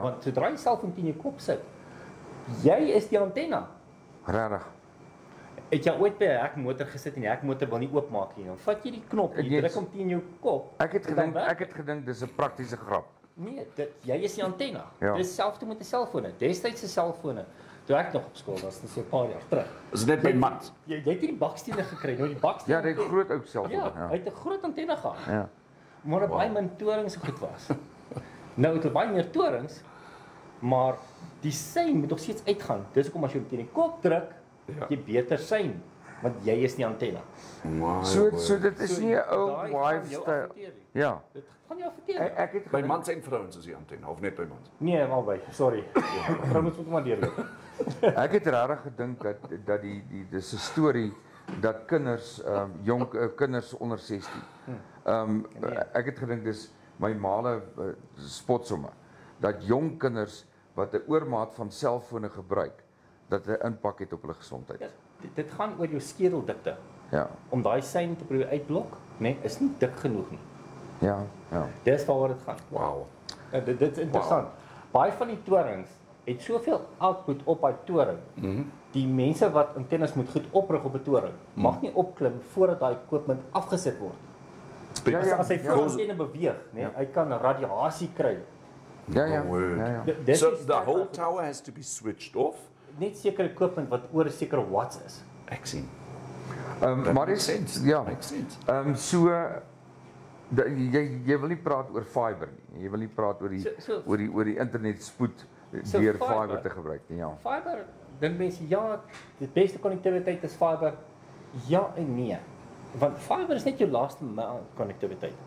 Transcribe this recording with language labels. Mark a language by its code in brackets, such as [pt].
[af] Want zodra jy selfoon in jou kop sit, jy is die antenne. Rarig. Het jy ooit by een hekmotor gesit en die hekmotor wil nie oopmaak nie, dan vat jy die knop en jy druk om in jou kop. Ek het gedink, dit is een praktiese grap. Nee, jy is die antenne. Ja. Dit is selfde met die selfoon, destijds die selfoon. Toe ek nog op school was, dit is een paar jaar terug. Is net by mat? Jy het die bakstenen gekry, nou die bakstenen... Ja, die het groot ook self. Ja, hy het een groot antenne gehad. Ja. Maar dat baie min torings goed was. Nou het baie meer torings, maar die sein moet nog steeds uitgaan. Dis ook om as jy die kop druk, jy beter sein, want jy is die antenne. So dit is nie een [en] old wife style. [af] Ja. Dit gaan jou verteer. By mans en vrouwens is die antenne, of net by mans? Nee, albei, sorry. Vrouwens moet maar deurloop. Ek het rarig gedink dat dis een story dat kinders, jong kinders onder 16, ek het gedink dis my male spotsomme, dat jong kinders wat 'n oormaat van selfone gebruik dat 'n impak het op hulle gesondheid? Dit gaan oor jou skedeldikte. Ja. Om daai sein te probeer uitblok, nee, is nie dik genoeg nie. Ja, ja. Dis waaroor dit gaan. Wow. Dit is interessant. Wow. Baie van die torings het soveel output op die toring. Mm-hmm. Die mense wat antennes moet goed oprig op die toring, mm-hmm. mag nie opklim voordat die equipment afgesit word. As hy voor antenne beweeg, nee, ja. hy kan radiasie kry. Ja, ja. [en] So the whole tower has to be switched off? [af] Net sekere equipment wat oor 'n sekere watts is. Ek sien. Marius, ja, so, jy wil nie praat oor fiber nie, jy wil nie praat oor die internet spoed deur fiber te gebruik nie, ja. Fiber, dink mense, ja, die beste connectiviteit is fiber, ja en nee, want fiber is net jou laaste mile connectiviteit.